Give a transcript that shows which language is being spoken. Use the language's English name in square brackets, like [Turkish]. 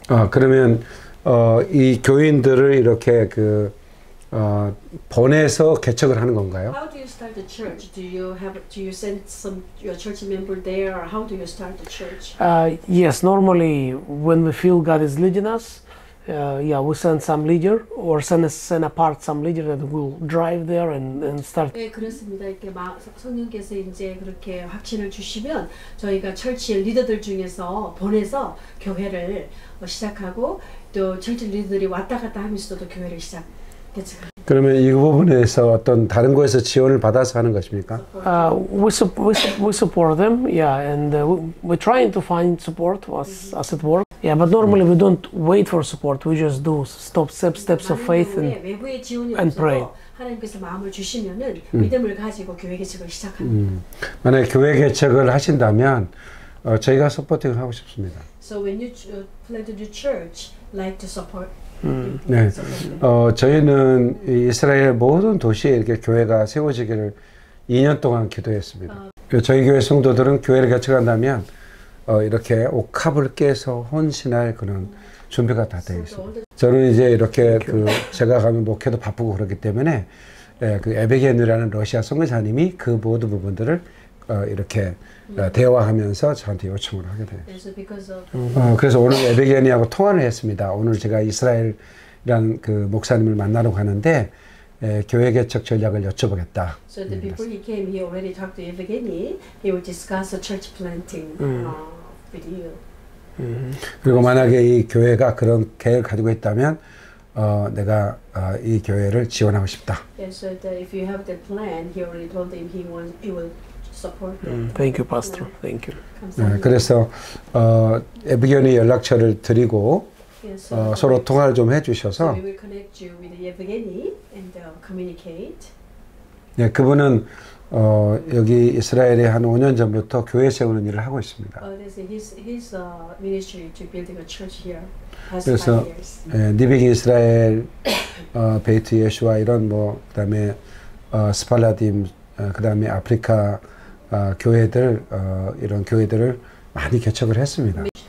[Korean] 그러면 이 교인들을 이렇게 그 보내서 개척을 하는 건가요? [English] How do you start the church? Do you send some your church member there or how do you start the church? Yes, normally when we feel God is leading us, yeah, we send some leader or send apart some leader that will drive there and start. [Korean] 네, 그렇습니다. 이렇게 성령께서 이제 그렇게 확신을 주시면 저희가 철치의 리더들 중에서 보내서 교회를 시작하고 또 철치 리더들이 왔다 갔다 하면서도 교회를 시작. 그러면 이 부분에서 어떤 다른 곳에서 지원을 받아서 하는 것입니까? [English] We support them, yeah, and we're trying to find support as it works. Yeah, but normally we don't wait for support. We just do steps of faith and pray. [Korean] 하나님께서 마음을 주시면은 믿음을 가지고 교회 개척을 시작합니다. 만약 교회 개척을 하신다면 저희가 서포팅을 하고 싶습니다. [English] So when you plan to do church, like to support. [Korean] 네. 저희는 이스라엘 모든 도시에 이렇게 교회가 세워지기를 2년 동안 기도했습니다. 저희 교회 성도들은 교회를 개척한다면 이렇게 옷합을 깨서 헌신할 그런 준비가 다 되어 있습니다. 저는 이제 이렇게 그 제가 가면 목회도 바쁘고 그렇기 때문에 그 에베게누라는 러시아 선교사님이 그 모든 부분들을 이렇게 대화하면서 저한테 요청을 하게 돼요. 그래서 오늘 에베게니하고 통화를 했습니다. 오늘 제가 이스라엘이라는 그 목사님을 만나러 가는데 교회 개척 전략을 여쭤보겠다. [English] So the before he came, he already talked to Evgeny. He would discuss the church planting with you. [Korean] 그리고 만약에 이 교회가 그런 계획을 가지고 있다면 내가 이 교회를 지원하고 싶다. [English] Yeah, so that if you have that plan, he already told him he will support you. Thank you, Pastor. Thank you. [Korean] 그래서 에브게니 연락처를 드리고 서로 통화를 좀 해주셔서 [English] so we will connect you with Evgeny and communicate. [Korean] 네, 그분은 여기 이스라엘에 한 5년 전부터 교회 세우는 일을 하고 있습니다. [English] His ministry to building a church here. [Korean] 그래서 리빙 이스라엘, 베이트 예슈아 이런 뭐 그다음에 스팔라딤, 그다음에 아프리카 교회들 이런 교회들을 많이 개척을 했습니다.